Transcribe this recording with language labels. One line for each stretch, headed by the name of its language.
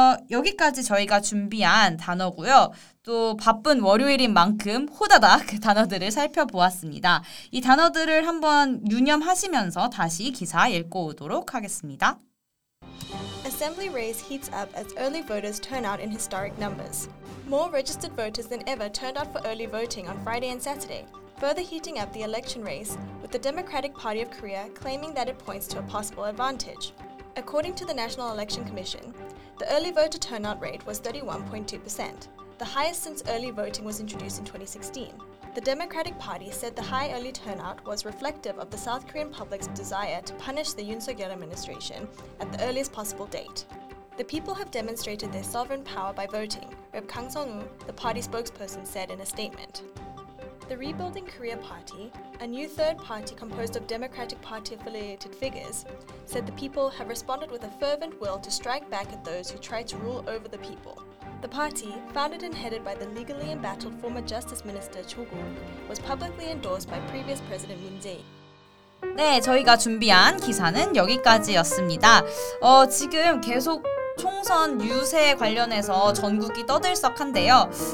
Korean: 여기까지 저희가 준비한 단어고요. 또 바쁜 월요일인 만큼 호다닥 단어들을 살펴보았습니다. 이 단어들을 한번 유념하시면서 다시 기사 읽고 오도록 하겠습니다.
English: Assembly race heats up as early voters turn out in historic numbers. More registered voters than ever turned out for early voting on Friday and Saturday, further heating up the election race, with the Democratic Party of Korea claiming that it points to a possible advantage. According to the National Election Commission, the early voter turnout rate was 31.2%, the highest since early voting was introduced in 2016. The Democratic Party said the high early turnout was reflective of the South Korean public's desire to punish the Yoon Suk-yeol administration at the earliest possible date. The people have demonstrated their sovereign power by voting, Rep. Kang Song-woo, the party spokesperson, said in a statement. The Rebuilding Korea Party, a new third party composed of Democratic Party-affiliated figures, said the people have responded with a fervent will to strike back at those who try to rule over the people. The party, founded and headed by the legally embattled former Justice Minister Cho Guk, was publicly endorsed by previous President Moon Jae-in.
Korean: 네, 저희가 준비한 기사는 여기까지였습니다. 지금 계속 총선 유세 관련해서 전국이 떠들썩한데요.